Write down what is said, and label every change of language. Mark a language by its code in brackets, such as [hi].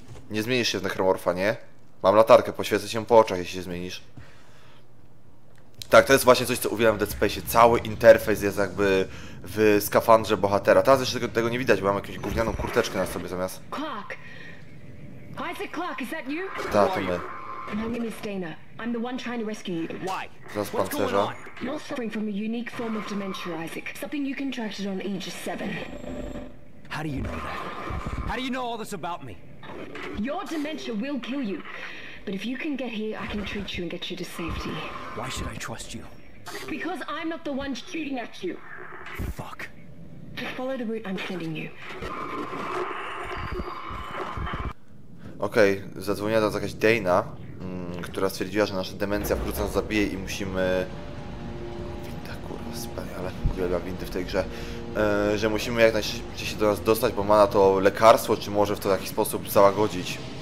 [pl] Nie zmienisz się w nekromorfa, nie? Mam latarkę, poświecę się po oczach, jeśli się zmienisz. Tak, to jest właśnie coś, co uwielbiam w Dead Space. Cały interfejs jest jakby w skafandrze bohatera. Teraz jeszcze tego nie widać, bo mam jakąś gównianą kurteczkę na sobie zamiast. [en] Clark! Isaac Clark, is that you? [pl] Tak, to my. [en] My name is Dana. I'm the one trying to rescue you. Why? [pl] Zaraz pancerza. [en] You're suffering from a unique form of dementia, Isaac. Something you contracted on Aegis 7. How do you know that? How do you know all this about me? Your dementia will kill you, but if you can get here, I can treat you and get you to safety. Why should I trust you? Because I'm not the one shooting at you. Fuck. Just follow the route I'm sending you. [pl] Okej, okay, zadzwoniła do nas jakaś Dana, która stwierdziła, że nasza demencja wkrótce nas zabije i musimy... Winda, kurwa, wspaniale. Uwielbiam windy w tej grze. Że musimy jak najszybciej się do nas dostać, bo ma na to lekarstwo, czy może w to jakiś sposób załagodzić.